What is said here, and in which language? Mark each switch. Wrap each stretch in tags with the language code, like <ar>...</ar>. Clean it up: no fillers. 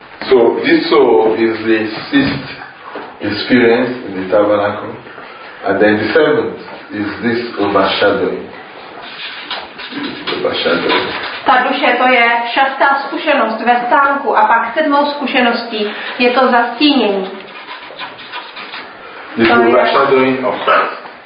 <en>So this soul is the sixth experience in the tabernacle, and then the seventh is this overshadowing.</en> <cs>Ta duše, to je šestá zkušenost ve stánku, a pak sedmou zkušeností je to zastínění.</cs> <en>This overshadowing of Christ.</en>